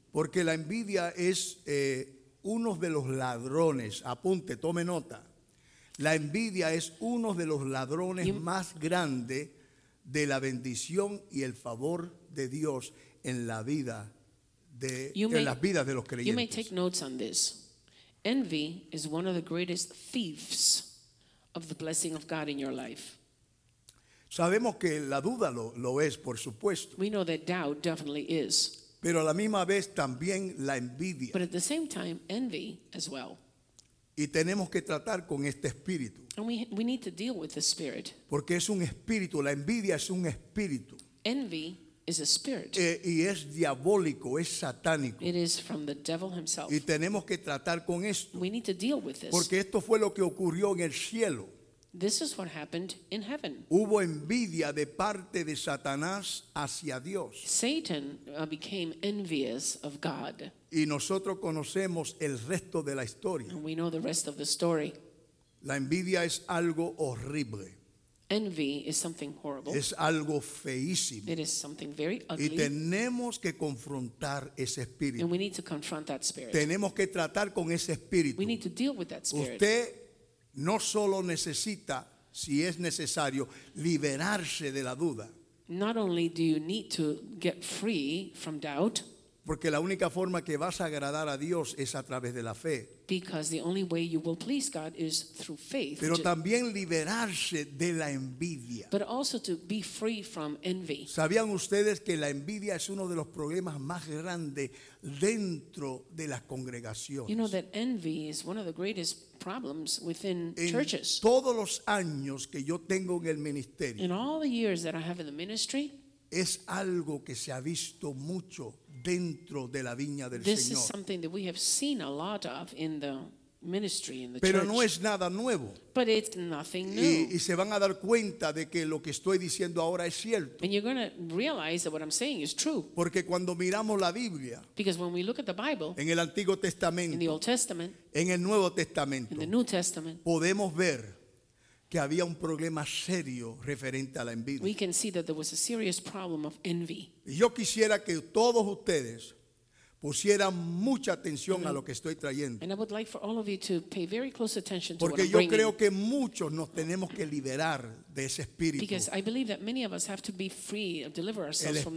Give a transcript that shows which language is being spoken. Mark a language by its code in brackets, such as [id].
[es] Porque la envidia es uno de los ladrones. Apunte, tome nota. La envidia es uno de los ladrones más grandes de la bendición y el favor de Dios en la vida de las vidas de los creyentes. [en] You may take notes on this. Envy is one of the greatest thieves of the blessing of God in your life. [es] Sabemos que la duda lo es, por supuesto. [en] We know that doubt definitely is. [es] Pero a la misma vez también la envidia. [en] But at the same time, envy as well. [es] Y tenemos que tratar con este espíritu. [en] And we need to deal with the spirit. [es] Porque es un espíritu, la envidia es un espíritu. [en] Envy is a spirit. [es] Y es diabólico, es satánico. [en] It is from the devil himself. [es] Y tenemos que tratar con esto. [en] We need to deal with this. [es] Porque esto fue lo que ocurrió en el cielo. [en] This is what happened in heaven. [es] Hubo envidia de parte de Satanás hacia Dios. [en] Satan became envious of God. [es] Y nosotros conocemos el resto de la historia. [en] And we know the rest of the story. [es] La envidia es algo horrible. [en] Envy is something horrible. [es] Es algo feísimo. [en] It is something very ugly. [es] Y tenemos que confrontar ese espíritu. [en] And we need to confront that spirit. [es] Tenemos que tratar con ese espíritu. [en] We need to deal with that spirit. [es] Usted no solo necesita, si es necesario, liberarse de la duda. [en] Not only do you need to get free from doubt. [es] Porque la única forma que vas a agradar a Dios es a través de la fe. [en] Because the only way you will please God is through faith. [es] Pero también liberarse de la envidia. [en] But also to be free from envy. [es] ¿Sabían ustedes que la envidia es uno de los problemas más grandes dentro de las congregaciones? [en] You know that envy is one of the greatest problems within churches. [es] En todos los años que yo tengo en el ministerio. [en] In all the years that I have in the ministry. [es] Es algo que se ha visto mucho dentro de la viña del [en] this This is something that we have seen a lot of in the ministry, in the [es] pero [en] church. [es] Pero no es nada nuevo. [en] But it's nothing new. [es] Y se van a dar cuenta de que lo que estoy diciendo ahora es cierto. [en] And you're going to realize that what I'm saying is true. [es] Porque cuando miramos la Biblia. [en] Because when we look at the Bible. [es] En el Antiguo Testamento. [en] In the Old Testament. [es] En el Nuevo Testamento. [en] In the New Testament. [es] Podemos ver que había un problema serio referente a la envidia. [en] We can see that there was a serious problem of envy. [es] Yo quisiera que todos ustedes pusieran mucha atención a lo que estoy trayendo. [en] And I would like for all of you to pay very close attention to [es] porque [en] what I'm bringing. [es] Porque yo creo que muchos nos tenemos que liberar de ese espíritu. [en] Because I believe that many of us have to be free or deliver ourselves from